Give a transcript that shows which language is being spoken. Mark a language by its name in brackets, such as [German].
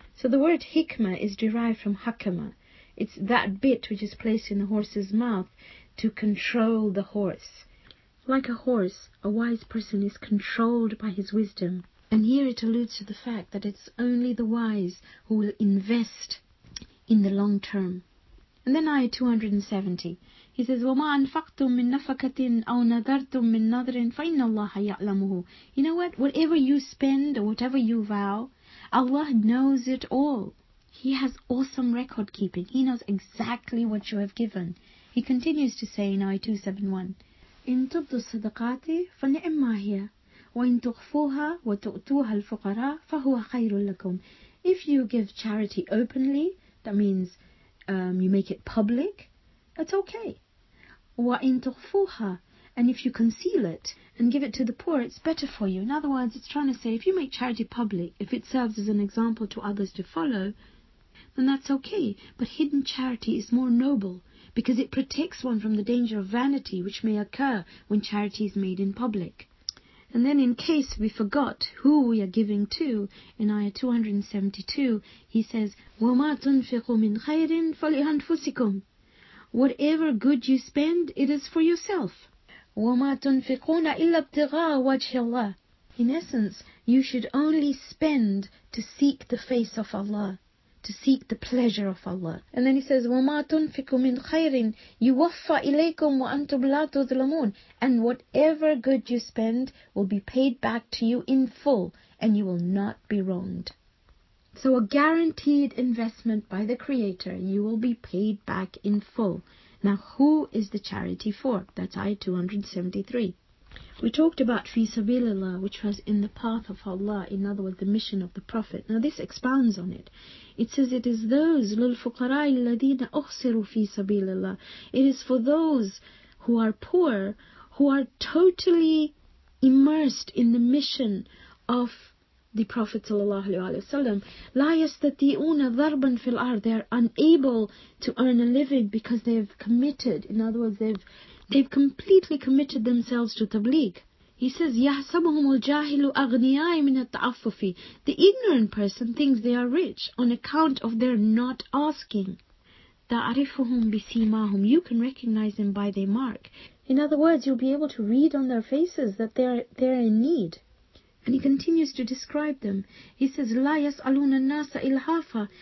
[English] So the word hikmah is derived from hakama. It's that bit which is placed in the horse's mouth to control the horse. Like a horse, a wise person is controlled by his wisdom. And here it alludes to the fact that it's only the wise who will invest in the long term. And then ayah 270, he says, [Arabic] وَمَا أَنْفَقْتُمْ مِنْ نَفَكَةٍ أَوْ نَذَرْتُمْ مِنْ نَذْرٍ فَإِنَّ اللَّهَ يَعْلَمُهُ. [English] You know what? Whatever you spend or whatever you vow, Allah knows it all. He has awesome record keeping. He knows exactly what you have given. He continues to say in ayah 271, [Arabic] إِن تُبْدُ الصَّدَقَاتِ فَنِعِمَّا هِيَ وَإِن تُخْفُوهَا وَتُؤْتُوهَا الْفُقَرَى فَهُوَ خَيْرٌ لَكُمْ. [English] If you give charity openly, that means you make it public, it's okay. [Arabic] وَإِن تُخْفُوهَا, [English] and if you conceal it and give it to the poor, it's better for you. In other words, it's trying to say, if you make charity public, if it serves as an example to others to follow, then that's okay. But hidden charity is more noble because it protects one from the danger of vanity which may occur when charity is made in public. And then in case we forgot who we are giving to, in ayah 272, he says, [Arabic] وَمَا تُنْفِقُوا مِنْ خَيْرٍ فَلِأَنْفُسِكُمْ. [English] Whatever good you spend, it is for yourself. [Arabic] وما تنفقون إلا ابتغاء وجه الله. [English] In essence, you should only spend to seek the face of Allah, to seek the pleasure of Allah. And then he says, [Arabic] وَمَا تُنْفِقُ مِنْ خَيْرٍ يُوَفَّ إِلَيْكُمْ وَأَنْتُمْ لَا تُظْلَمُونَ. [English] And whatever good you spend will be paid back to you in full, and you will not be wronged. So a guaranteed investment by the Creator, you will be paid back in full. Now, who is the charity for? That's Ayah 273. We talked about fi sabilillah, which was in the path of Allah, in other words, the mission of the Prophet. Now, this expounds on it. It says, it is those, [Arabic] lilfuqara'i alladhina ukhsiru fi sabilillah. [English] It is for those who are poor, who are totally immersed in the mission of the Prophet sallallahu alaihi wasallam. [Arabic] لا يستطيعون ضربا في الأرض. [English] They are unable to earn a living because they have committed. In other words, they've completely committed themselves to tabligh. He says, [Arabic] يحسبهم الجاهل أغنياء من التعفف. [English] The ignorant person thinks they are rich on account of their not asking. [Arabic] تعرفهم بسيماهم. [English] You can recognize them by their mark. In other words, you'll be able to read on their faces that they're in need. And he continues to describe them. He says, [Arabic] لا يسألون الناس إلحافا.